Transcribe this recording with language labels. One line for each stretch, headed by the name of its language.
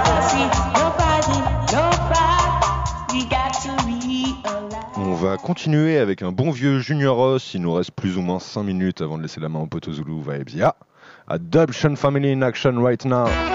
English: See, nobody, nobody, we got to realize.
French: On va continuer avec un bon vieux Junior Ross. Il nous reste plus ou moins 5 minutes avant de laisser la main au poteau Zulu.
English: Vibes, yeah. Adoption family in action right now.